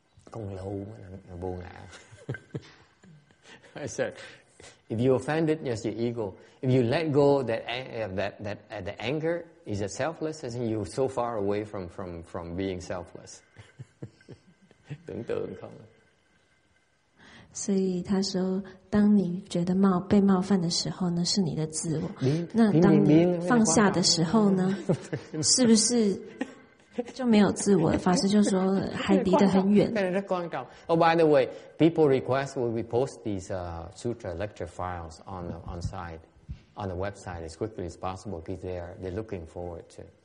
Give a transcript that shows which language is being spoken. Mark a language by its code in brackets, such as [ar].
[vi] Còn lâu mà vô ngã. [en] I said, if you're offended, yes, your ego. If you let go the anger, is it selfless? I think you're so far away from being selfless. [zh] 等等看。所以他说，当你觉得被冒犯的时候呢，是你的自我。那当你放下的时候呢，是不是就没有自我？法师就说，还离得很远。 [en] Oh, by the way, people request will we post these sutra lecture files on site. On the website as quickly as possible because they're looking forward to.